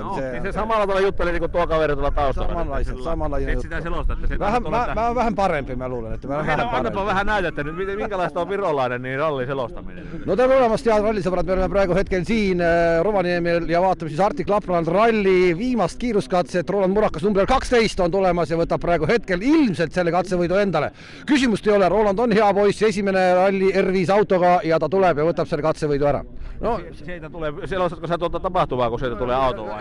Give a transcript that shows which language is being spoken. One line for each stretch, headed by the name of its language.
Finnish: No, se samalla tavalla juttelee niin kuin tuo kaveri tuolla taustalla. Samanlainen juttu. Et sitä selosta, että se vähän, mä oon vähän parempi, mä luulen. Että mä no, vähän annapa vähän näytettä nyt, minkälaista on virolainen niin ralli selostaminen.
Estonian: No tämä olemassa ja ralliseurat, me olemme praegu hetken siin Rovaniemiel ja vaatame siis Arctic Lapland ralli viimast kiiruskatset. Roland Murakas number 12 on tulemas ja võtab praegu hetkel ilmselt selle katsevõidu endale. Küsimust ei ole, Roland on hea poiss, esimene ralli R5 autoga ja ta tuleb ja võtab selle katsevõidu ära.
Finnish: No, selostatko sä tuota tapahtuvaa, kun sieltä tulee auto vai?